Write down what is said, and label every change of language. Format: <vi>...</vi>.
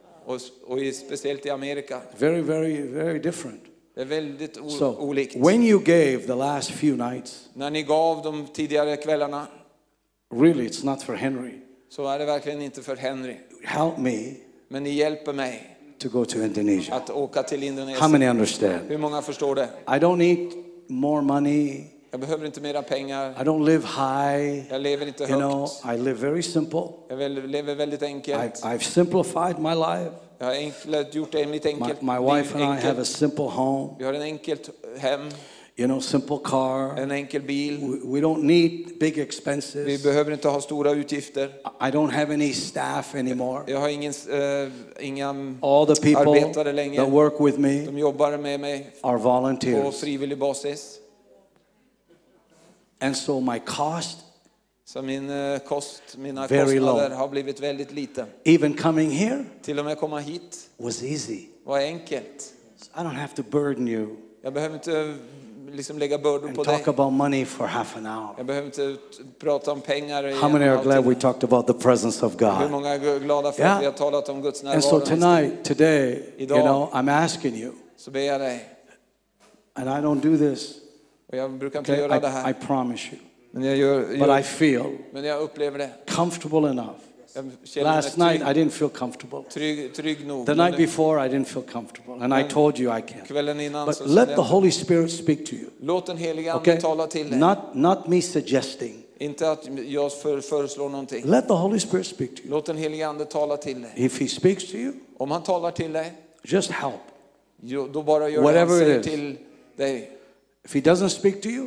<sv>och speciellt i Amerika,</sv> <en>very, very, very different.</en> <sv>Det är väldigt olikt.</sv> <en>So when you gave the last few nights,</en> <sv>när ni gav de tidigare kvällarna,</sv> <en>really, it's not for Henry.</en> <sv>Så är det verkligen inte för Henry.</sv> <en>help me.</en> <sv>Men ni hjälper mig.</sv> <en>To go to Indonesia.</en> <sv>Att åka till Indonesien.</sv> <en>How many understand?</en> <sv>Hur många förstår det?</sv> <en>I don't need more money.</en> <sv>Jag behöver inte mera pengar.</sv> <en>I don't live high.</en> <sv>Jag lever inte högt.</sv> <en>You know, I live very simple.</en> <sv>Jag lever väldigt enkelt.</sv> <en>I've simplified my life.</en> <sv>Jag har enklat gjort det mitt enkelt.</sv> <en>My wife and I have a simple home.</en> <sv>Vi har en enkelt hem.</sv> <en>You know, simple car.</en> <sv>En enkel bil.</sv> <en>We don't need big expenses.</en> <sv>Vi behöver inte ha stora utgifter.</sv> <en>I don't have any staff anymore.</en> <sv>Jag har ingen</sv> <en>all the people</en> <sv>arbetare längre.</sv> <en>That work with me.</en> <sv>De jobbar med mig.</sv> <en>Are volunteers.</en> <sv>På frivillig basis.</sv> <en>And so my cost.</en> <sv>Så min kost, mina kostnader har blivit väldigt lite.</sv> <en>Even coming here.</en> <sv>Till och med komma hit.</sv> <en>Was easy.</en> <sv>Var enkelt.</sv> <en>So I don't have to burden you.</en> <sv>Jag behöver inte liksom lägga bördor på dig.</sv> <en>Talk about money for half an hour.</en> <sv>Jag behöver inte prata om pengar.</sv> <en>How many are glad we talked about the presence of God?</en> <sv>Hur många är glada för att vi har talat om Guds närvaro?</sv> <en>And so tonight, today, you know, I'm asking you.</en> <sv>Så ber jag dig.</sv> <en>And I don't do this.</en> <sv>Och jag brukar inte göra det här.</sv> <en>I promise you.</en> <sv>Men jag gör,</sv> <en>but I feel.</en> <sv>Men jag upplever det.</sv> <en>Comfortable enough. Last night I didn't feel comfortable.</en> <sv>Trygg nog.</sv> <en>The night before I didn't feel comfortable, and I told you I can't.</en> <sv>Kvällen innan.</sv> <en>But let the Holy Spirit speak to you.</en> <sv>Låt den helige ande tala till dig.</sv> <en>Not me suggesting.</en> <sv>Inte att jag föreslår någonting.</sv> <en>Let the Holy Spirit speak to you.</en> <sv>Låt den helige ande tala till dig.</sv> <en>If he speaks to you,</en> <sv>om han talar till dig,</sv> <en>just help.</en> <sv>Då bara gör</sv> <en>whatever</en> <sv>han säger</sv> <en>it is.</en> <sv>Till dig.</sv> <en>If he doesn't speak to you,</en>